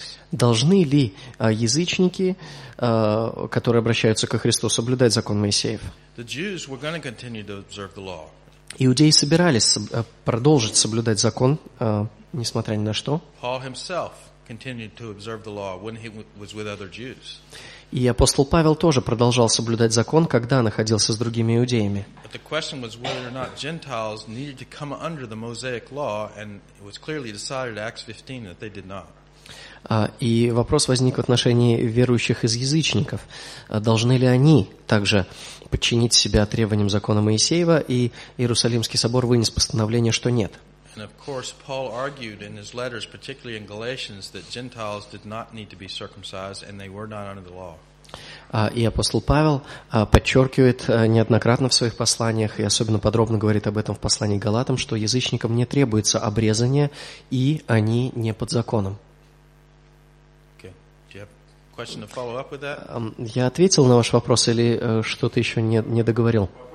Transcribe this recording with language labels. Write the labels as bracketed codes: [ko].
[ru] Должны ли язычники, которые обращаются ко Христу, соблюдать закон Моисеев? Иудеи собирались продолжить соблюдать закон, несмотря ни на что. [en] Paul himself continued to observe the law when he was with other Jews. [ru] И апостол Павел тоже продолжал соблюдать закон, когда находился с другими иудеями. [en] But the question was whether or not Gentiles needed to come under the Mosaic law, and it was clearly decided in Acts 15 that they did not. [ru] И вопрос возник в отношении верующих из язычников. Должны ли они также подчинить себя требованиям закона Моисеева, и Иерусалимский собор вынес постановление, что нет. [en] And of course, Paul argued in his letters, particularly in Galatians, that Gentiles did not need to be circumcised, and they were not under the law. [ru] И апостол Павел подчеркивает неоднократно в своих посланиях, и особенно подробно говорит об этом в послании к Галатам, что язычникам не требуется обрезание, и они не под законом. [en] Okay. Do you have a question to follow up with that? [ru] Я ответил на ваш вопрос, или что-то еще не договорил?